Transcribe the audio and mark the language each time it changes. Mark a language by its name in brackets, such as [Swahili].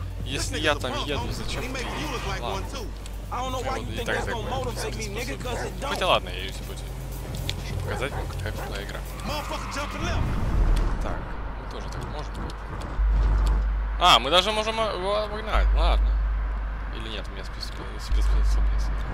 [Russian] Если я там еду, зачем ты едешь? Ладно. [English] I don't know why you think that's gonna motivate me, nigga, cause it don't. [Russian] Хотя ладно, я езжу пути. Чтобы показать вам, какая крутая игра. [English] Motherfucker jumping left. [Russian] Так. Тоже так может. А, мы даже можем обогнать, ладно. Или нет, у меня спецспособность.